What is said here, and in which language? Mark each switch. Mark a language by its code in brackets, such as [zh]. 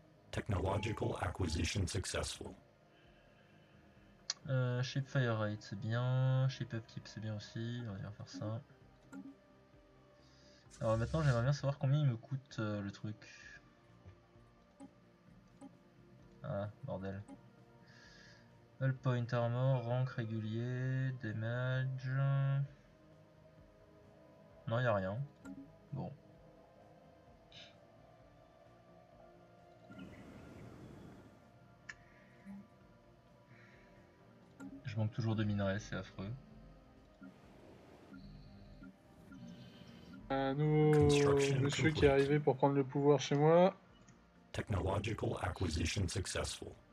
[en] Technological acquisition successful. [fr] Ship fire rate, c'est bien. Ship upkeep, c'est bien aussi. On va faire ça. Alors maintenant, j'aimerais bien savoir combien il me coûte le truc. Ah, bordel. Hull point armor, rank régulier, damage. Non, y a rien. Bon. Je manque toujours de minerais, c'est affreux. Un nouveau monsieur qui est arrivé pour prendre le pouvoir chez moi. [en] Technological acquisition successful.